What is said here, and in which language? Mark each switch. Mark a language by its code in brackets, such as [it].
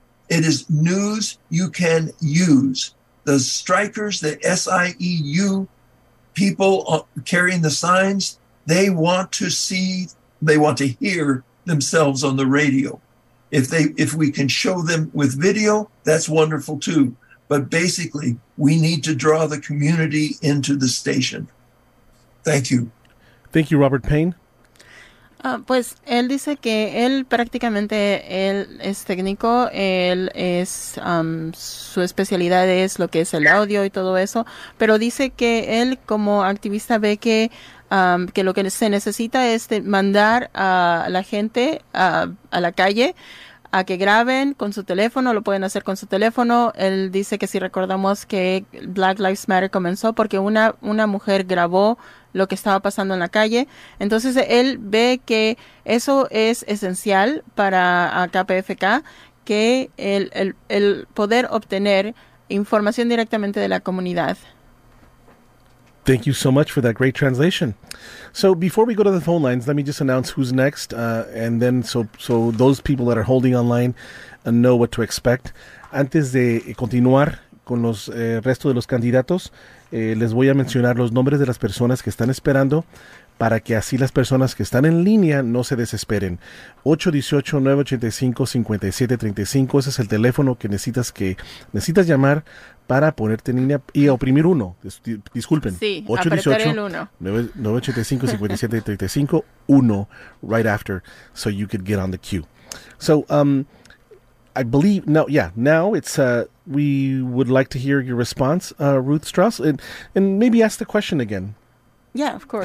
[en] It is news you can use. The strikers, the SIEU people carrying the signs, they want to see, they want to hear themselves on the radio. If we can show them with video, that's wonderful too. But basically, we need to draw the community into the station. Thank you. Thank you, Robert Payne. [es] Pues él dice que él prácticamente él es técnico, él es su especialidad es lo que es el audio y todo eso, pero dice que él como activista ve que lo que se necesita es de mandar a la gente a la calle a que graben con su teléfono, lo pueden hacer con su teléfono. Él dice que si recordamos que Black Lives Matter comenzó porque una mujer grabó lo que estaba pasando en la calle. Entonces, él ve que eso es esencial para KPFK, que el poder obtener información directamente de la comunidad. [en] Thank you so much for that great translation. So before we go to the phone lines, let me just announce who's next, and then so those people that are holding online know what to expect. [es] Antes de continuar con los resto de los candidatos, les voy a mencionar los nombres de las personas que están esperando para que así las personas que están en línea no se desesperen. 818-985-5735, ese es el teléfono que necesitas llamar para ponerte en línea y oprimir uno. Disculpen. Sí, 818-985-5735, [en] uno right after, so you could get on the queue. So, now it's we would like to hear your response, Ruth Strauss, and maybe ask the question again. Yeah, of course.